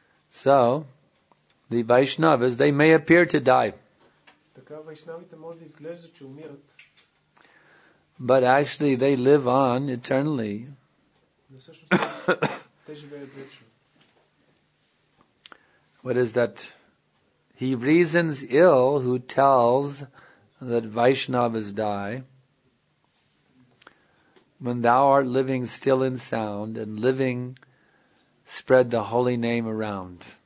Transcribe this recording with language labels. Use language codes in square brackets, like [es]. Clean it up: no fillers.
[en] So, the Vaishnavas, they may appear to die. [bg] Така, вайшнавите може да изглежда, че умират. [en] But actually, they live on eternally. [bg] Но всъщност, те живеят вечно. [en] What is that? He reasons ill who tells that Vaishnavas die when thou art living still in sound and living spread the holy name around.